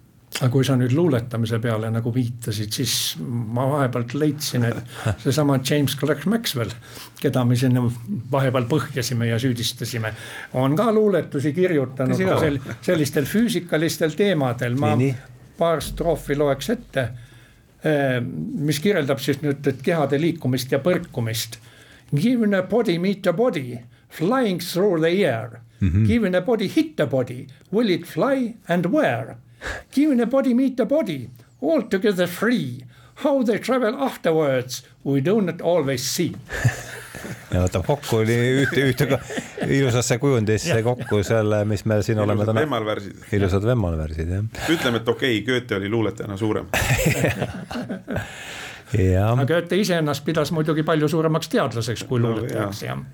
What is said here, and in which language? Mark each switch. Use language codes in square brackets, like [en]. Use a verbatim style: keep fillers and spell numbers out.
[et] Aga kui sa nüüd luuletamise peale nagu viitasid, siis ma vahepealt leidsin, et see sama James Clerk Maxwell, keda me sinna vahepeal põhjasime ja süüdistasime, on ka luuletusi kirjutanud ka sel, sellistel füüsikalistel teemadel. Ma nii, nii. paar stroofi loeks ette, mis kirjeldab siis nüüd kehade liikumist ja põrkumist. [en] Given a body, meet a body, flying through the air. Mm-hmm. Given a body, hit the body, will it fly and where? Given a body, meet a body, altogether free. How they travel afterwards, we do not always see. [et] Ja ta kokku oli ühte, ühte ka, ilusasse kujundisse kokku selle, mis me siin oleme täna. Vemmalvärsid. Ilusad vemmalvärsid, jah. Ütleme, et okei, Goethe oli luuletajana suurem. Ja. Aga Goethe ise ennast pidas muidugi palju suuremaks teadlaseks kui luuletajaks, jah.